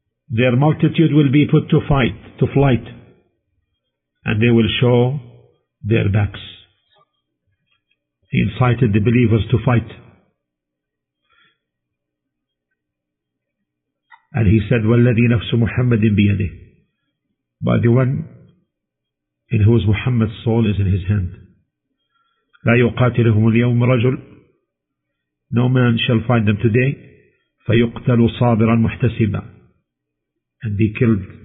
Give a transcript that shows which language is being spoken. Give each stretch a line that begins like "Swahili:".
English: Their multitude will be put to fight, to flight, and they will show their backs. He incited the believers to fight. And he said,
Arabic: وَالَّذِي نَفْسُ مُحَمَّدٍ بِيَدِهِ.
English: By the one in whose Muhammad's soul is in his hand.
Arabic: لَا يُقَاتِلُهُمُ الْيَوْمُ رَجُلٌ.
English: No man shall find them today.
Arabic: فَيُقْتَلُوا صَابِرًا مُحْتَسِبًا.
English: And be killed.